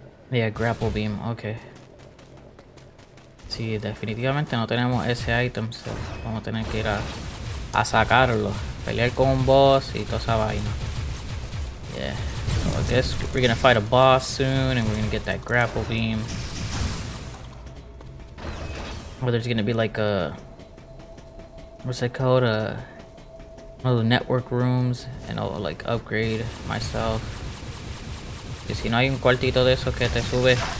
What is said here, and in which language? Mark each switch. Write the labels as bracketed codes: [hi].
[en] Yeah, grapple beam, okay. [es] Sí, definitivamente no tenemos ese item, so vamos a tener que ir a sacarlo. Pelear con un boss y toda esa vaina. [en] Yeah, so I guess we're gonna fight a boss soon and we're gonna get that grapple beam. Or there's gonna be like a... what's it called? One of the network rooms, and I'll like upgrade myself. [es] Y si no hay un cuartito de esos que te sube.